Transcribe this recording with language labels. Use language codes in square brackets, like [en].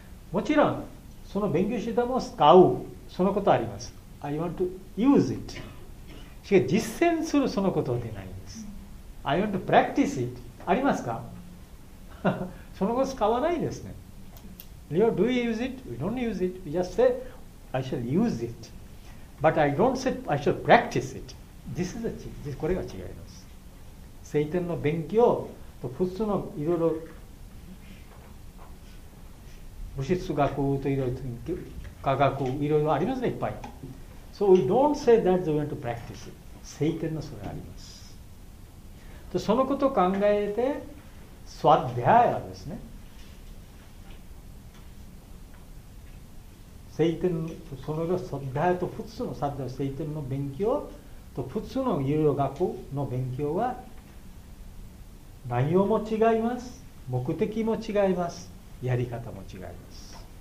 [ja] もちろん、その勉強したものを使う。そのことあります。 [en] I want to use it. [ja] しかし実践するそのことでないんです。 [en] I want to practice it. [ja] ありますか？そのこと使わないですね。 [en] Do we use it? We don't use it. We just say, I shall use it. But I don't say, I shall practice it. This is a, this, [ja] これが違います。聖典の勉強と普通のいろいろ物質学といろいろ科学いろいろありますね、いっぱい。 [en] So we don't say that we want to practice it. [ja] 聖典のそれあります。でそのことを考えてスワッデャヤですね、聖典のそのスワッデャヤと普通のスワッデャヤ、聖典の勉強と普通のいろいろ学の勉強は内容も違います、目的も違います、やり方も違います。